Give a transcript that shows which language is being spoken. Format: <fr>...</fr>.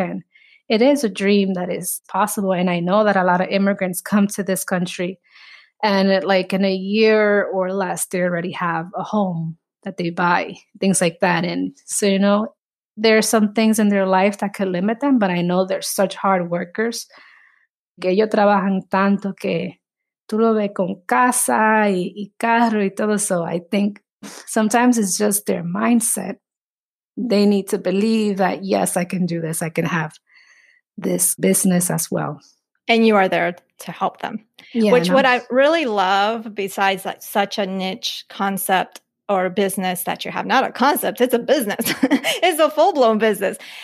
<en>And it is a dream that is possible. And I know that a lot of immigrants come to this country, and it, like in a year or less, they already have a home that they buy, things like that. And so, you know, there are some things in their life that could limit them, but I know they're such hard workers.</en> <es>Que ellos trabajan tanto que tú lo ves con casa y carro y todo.</es> <en>So I think sometimes it's just their mindset. They need to believe that, yes, I can do this. I can have this business as well. And you are there to help them, what I really love, besides like such a niche concept or business that you have, not a concept, it's a business, it's a full-blown business.</en>